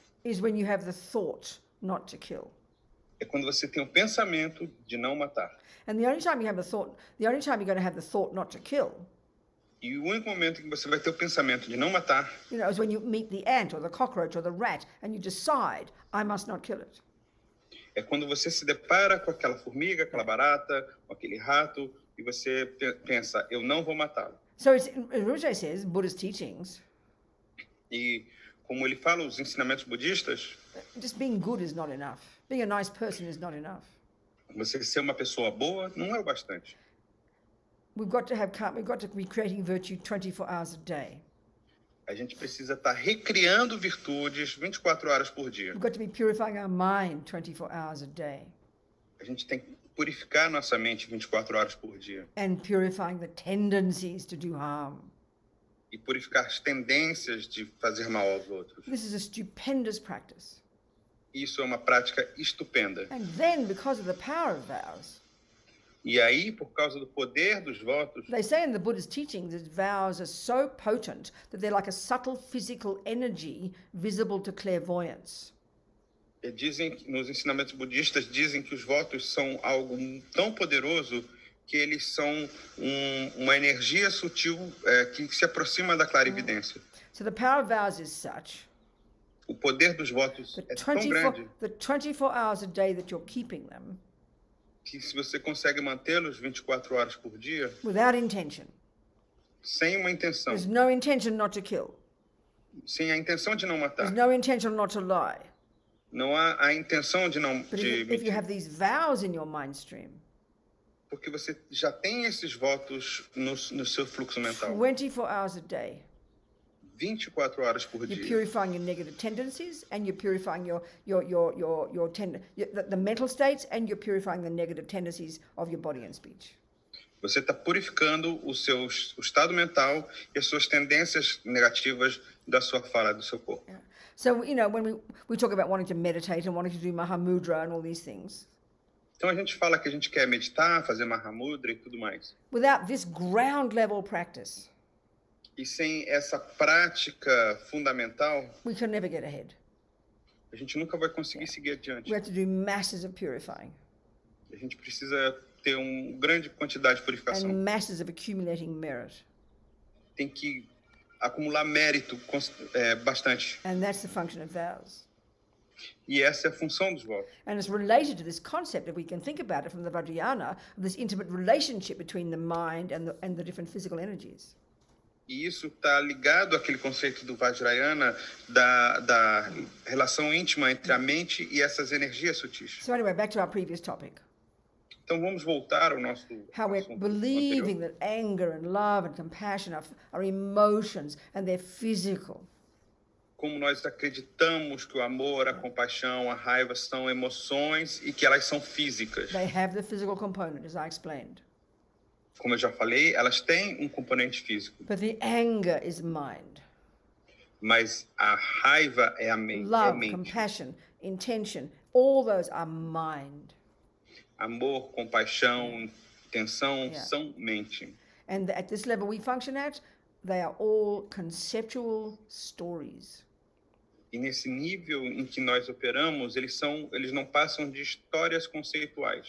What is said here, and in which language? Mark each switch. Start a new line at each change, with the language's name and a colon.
English: is when you have the thought not to kill.
Portuguese: É quando você tem o pensamento de não matar.
English: And the only time you have the thought, the only time you're going to have the thought not to kill.
Portuguese: E o único momento em que você vai ter o pensamento de não matar.
English: You know, is when you meet the ant or the cockroach or the rat and you decide, I must not kill it.
Portuguese: É quando você se depara com aquela formiga, aquela barata, com aquele rato e você pensa, eu não vou matá-lo.
English: So it's, as Rinpoche says, Buddhist teachings.
Portuguese: E como ele fala, os ensinamentos budistas.
English: Just being good is not enough. Being a nice person is not enough.
Portuguese: Você ser uma pessoa boa não é o bastante.
English: We've got to be creating virtue 24 hours a day.
Portuguese: A gente precisa estar recriando virtudes 24 horas por dia.
English: We've got to be purifying our mind 24 hours a day.
Portuguese: A gente tem que purificar nossa mente 24 horas por dia.
English: And purifying the tendencies to do harm.
Portuguese: E purificar as tendências de fazer mal aos outros.
English: This is a stupendous practice.
Portuguese: Isso é uma prática estupenda.
English: And then, because of the power of vows,
Portuguese: e aí, por causa do poder dos votos,
English: they say in the Buddhist teachings that vows are so potent that they're like a subtle physical energy visible to clairvoyance.
Portuguese: Dizem, nos ensinamentos budistas, dizem que os votos são algo tão poderoso que eles são uma energia sutil que se aproxima da clarividência.
English: So the power of vows is such.
Portuguese: O poder dos votos é tão grande.
English: The 24 hours a day that you're keeping them.
Portuguese: Que se você consegue mantê-los 24 horas por dia.
English: Without intention.
Portuguese: Sem uma intenção.
English: There's no intention not to kill.
Portuguese: Sem a intenção de não matar.
English: There's no intention not to lie.
Portuguese: Não há a intenção de não mentir.
English: If you have these vows in your mind stream.
Portuguese: Porque você já tem esses votos no seu fluxo mental.
English: 24 hours a day.
Portuguese: 24 horas por
English: you're You're purifying your negative tendencies and you're purifying the mental states and you're purifying the negative tendencies of your body and speech.
Portuguese: Você está purificando o estado mental e as suas tendências negativas da sua fala, do seu corpo.
English: Yeah. So, you know, when we talk about wanting to meditate and wanting to do Mahamudra and all these things.
Portuguese: Então a gente fala que a gente quer meditar, fazer Mahamudra e tudo mais.
English: Without this ground level practice.
Portuguese: E sem essa prática fundamental,
English: we can never get ahead.
Portuguese: A gente nunca vai conseguir seguir adiante.
English: We have to do masses of purifying.
Portuguese: A gente precisa ter uma grande quantidade de purificação.
English: And masses of accumulating merit.
Portuguese: Tem que acumular mérito bastante.
English: And that's the function of vows.
Portuguese: E essa é a função dos votos.
English: And it's related to this concept, if we can think about it from the Vajrayana, this intimate relationship between the mind and the different physical energies.
Portuguese: E isso está ligado àquele conceito do Vajrayana da relação íntima entre a mente e essas energias sutis.
English: So anyway, back to our previous topic.
Portuguese: Então vamos voltar ao nosso assunto anterior.
English: How we're believing that anger and love and compassion are emotions and they're physical.
Portuguese: Como nós acreditamos que o amor, a compaixão, a raiva são emoções e que elas são físicas.
English: They have the physical component, as I explained.
Portuguese: Como eu já falei, elas têm componente físico.
English: But the anger is mind.
Portuguese: Mas a raiva é a mente.
English: Love, compassion, intention, all those are mind.
Portuguese: Amor, compaixão, intenção, são mente.
English: And at this level we function at, they are all conceptual stories.
Portuguese: E nesse nível em que nós operamos, eles não passam de histórias conceituais.